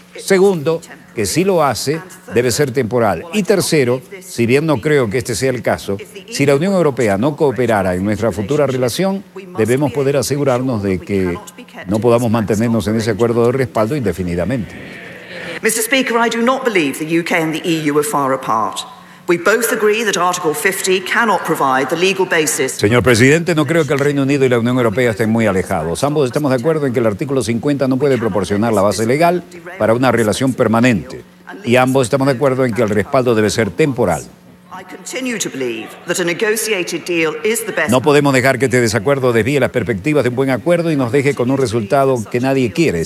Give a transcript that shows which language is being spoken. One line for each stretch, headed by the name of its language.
Spanish: Segundo, que si lo hace, debe ser temporal. Y tercero, si bien no creo que este sea el caso, si la Unión Europea no cooperara en nuestra futura relación, debemos poder asegurarnos de que no podamos mantenernos en ese acuerdo de respaldo indefinidamente.
English: Mr. Speaker, I do not believe the UK and the EU are far apart. We both agree that Article 50 cannot provide the legal basis.
Spanish: Señor presidente, no creo que el Reino Unido y la Unión Europea estén muy alejados. Ambos estamos de acuerdo en que el artículo 50 no puede proporcionar la base legal para una relación permanente. Y ambos estamos de acuerdo en que el respaldo debe ser temporal. No podemos dejar que este desacuerdo desvíe las perspectivas de un buen acuerdo y nos deje con un resultado que nadie quiere.